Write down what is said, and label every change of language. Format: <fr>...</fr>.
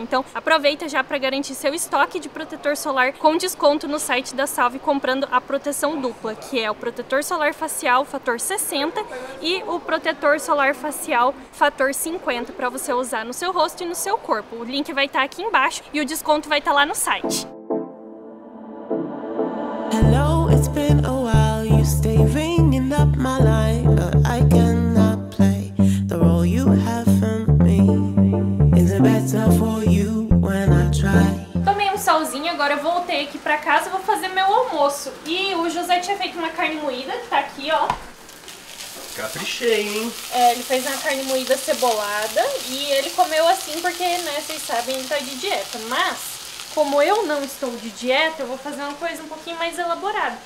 <pt>Então aproveita já pra garantir seu estoque de protetor solar com desconto no site da Salve, comprando a proteção dupla, que é o protetor solar facial fator 60 e o protetor solar facial fator 50, pra você usar no seu rosto e no seu corpo. O link vai estar aqui embaixo e o desconto vai estar lá no site.</pt> <en>Hello, it's been a while. Stay ringing up my line, but I cannot play the role you have for me. Is it better for you when I try?</en> <pt>Tomei um solzinho, agora eu voltei aqui pra casa, vou fazer meu almoço. E o José tinha feito uma carne moída, que tá aqui, ó. Caprichei, hein? É, ele fez uma carne moída cebolada e ele comeu assim porque, né, vocês sabem, ele tá de dieta, mas... Como eu não estou de dieta, eu vou fazer uma coisa um pouquinho mais elaborada.</pt>